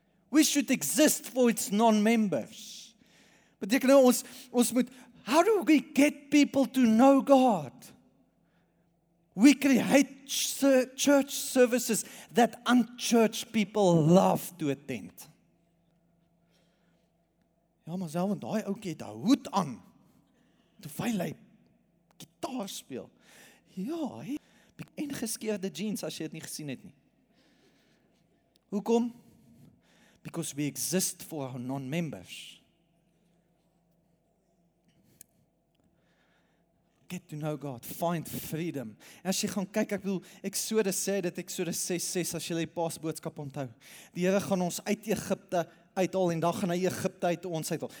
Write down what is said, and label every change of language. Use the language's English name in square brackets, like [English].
[English] We should exist for its non-members. [Afrikaans] Beteken nou, ons moet, [English] how do we get people to know God? We create church services that unchurched people love to attend. [Afrikaans] Ja, maar selfs want daai ouetjie het 'n hoed aan, terwyl hy gitaar speel. Ja, hy het ingeskeurde jeans, as jy dit nie gesien het nie. Hoekom? [English] Because we exist for our non-members. get to know God, find freedom. [Afrikaans] En as jy gaan kyk, ek bedoel, Exodus sê dit, Exodus 6:6, as jy die paasboodskap onthou. Die Here gaan ons uit Egypte uithaal en dan gaan hy Egypte uit ons uithaal.